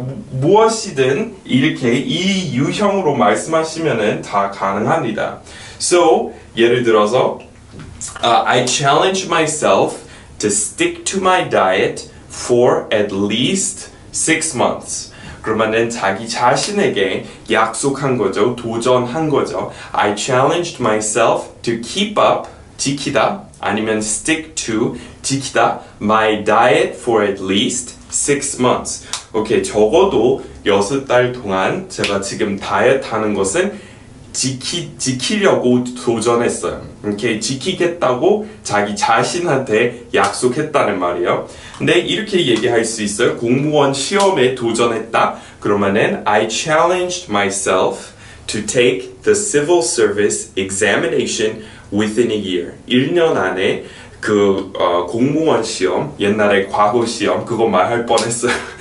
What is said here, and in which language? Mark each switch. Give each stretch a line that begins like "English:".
Korean: 무엇이든 이렇게 이 유형으로 말씀하시면은 다 가능합니다.
English: So, 예를 들어서 I challenge myself to stick to my diet for at least 6 months.
Korean: 그러면은 자기 자신에게 약속한 거죠. 도전한 거죠.
English: I challenged myself to keep up, 지키다, 아니면 stick to, 지키다, my diet for at least 6 months.
Korean: 오케이, 적어도 6달 동안 제가 지금 다이어트 하는 것은 지키려고 도전했어요. 오케이, 지키겠다고 자기 자신한테 약속했다는 말이에요. 근데 이렇게 얘기할 수 있어요. 공무원 시험에 도전했다.
English: 그러면은 I challenged myself to take the civil service examination within a year.
Korean: 1년 안에 그 공무원 시험, 옛날에 과거 시험 그거 말할 뻔했어요.